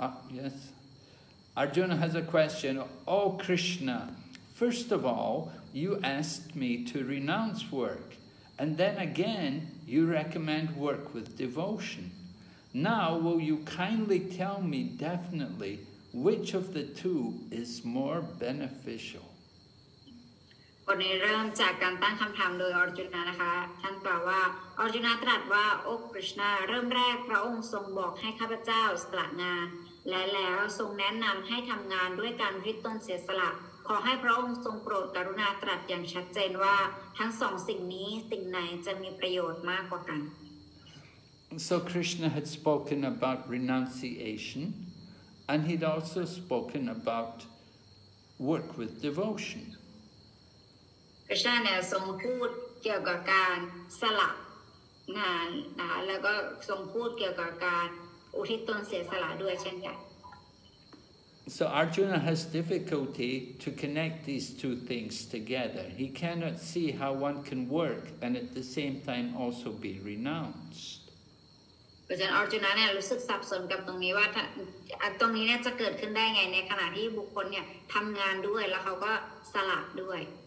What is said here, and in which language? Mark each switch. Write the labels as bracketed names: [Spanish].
[English] Yes. Arjuna has a question. Oh, Krishna, first of all, you asked me to renounce work, and then again, you recommend work with devotion. Now, will you kindly tell me definitely which of the two is more beneficial? [Thai] บทนี้เริ่มจากการตั้งคำถามโดยอร์จุนานะคะท่านกล่าวว่าอร์จุนาตรัสว่าโอ้คริชนาเริ่มแรกพระองค์ทรงบอกให้ข้าพเจ้าสละงานและแล้วทรงแนะนำให้ทำงานด้วยการริดต้นเสียสละขอให้พระองค์ทรงโปรดกรุณาตรัสอย่างชัดเจนว่าทั้งสองสิ่งนี้สิ่งไหนจะมีประโยชน์มากกว่ากัน [English] So Krishna had spoken about renunciation and he'd also spoken about work with devotion. [Thai] พระเจ้าเนี่ยทรงพูดเกี่ยวกับการสละงานนะคะแล้วก็ทรงพูดเกี่ยวกับการอุทิศตนเสียสละด้วยเช่นกัน [English] So Arjuna has difficulty to connect these two things together. He cannot see how one can work and at the same time also be renounced. [Thai] เพราะฉะนั้นอร์จุนะเนี่ยรู้สึกสับสนกับตรงนี้ว่าตรงนี้เนี่ยจะเกิดขึ้นได้ไงในขณะที่บุคคลเนี่ยทำงานด้วยแล้วเขาก็สละด้วย